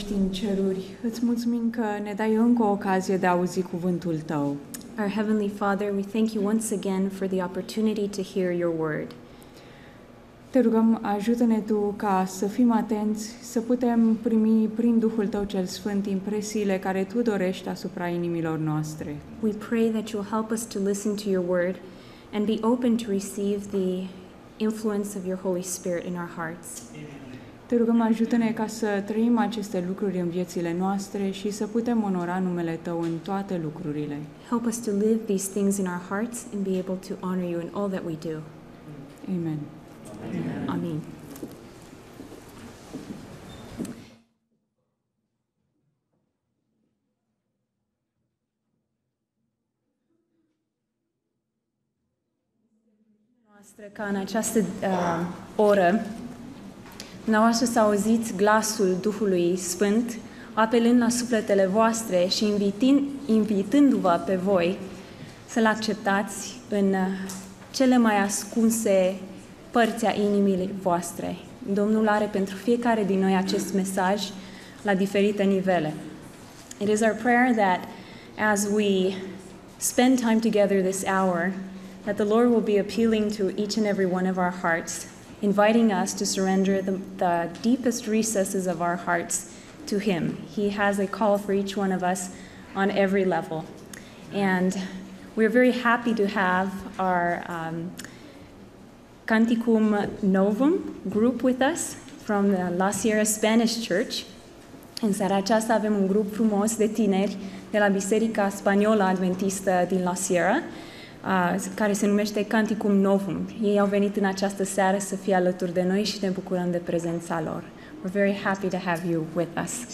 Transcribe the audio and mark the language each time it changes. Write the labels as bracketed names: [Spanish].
[Romanian] ceruri, îți mulțumim că ne dai încă o ocazie de a auzi cuvântul tău. [English] Our Heavenly Father, we thank you once again for the opportunity to hear your word. [Romanian] Te rugăm, ajută-ne tu ca să fim atenți, să putem primi prin Duhul tău cel sfânt impresiile care tu dorești asupra inimilor noastre. [English] We pray that you'll help us to listen to your word and be open to receive the influence of your Holy Spirit in our hearts. [Romanian] Te rugăm, ajută-ne ca să trăim aceste lucruri în viețile noastre și să putem onora numele Tău în toate lucrurile. [English] Help us to live these things in our hearts and be able to honor You in all that we do. Amen. Amen. Amen. [Romanian] Noastră ca în această oră dumneavoastră să auziți glasul Duhului Sfânt apelând la sufletele voastre și invitându-vă pe voi să-L acceptați în cele mai ascunse părți a inimii voastre. Domnul are pentru fiecare din noi acest mesaj la diferite nivele. [English] It is our prayer that as we spend time together this hour, that the Lord will be appealing to each and every one of our hearts, inviting us to surrender the deepest recesses of our hearts to Him. He has a call for each one of us on every level. And we're very happy to have our Canticum Novum group with us from the La Sierra Spanish Church. [Romanian] În seara aceasta avem un grup frumos de tineri de la Biserica Spaniola Adventistă din La Sierra, care se numește Canticum Novum. Ei au venit în această seară să fie alături de noi și ne bucurăm de prezența lor. [English] We're very happy to have you with us.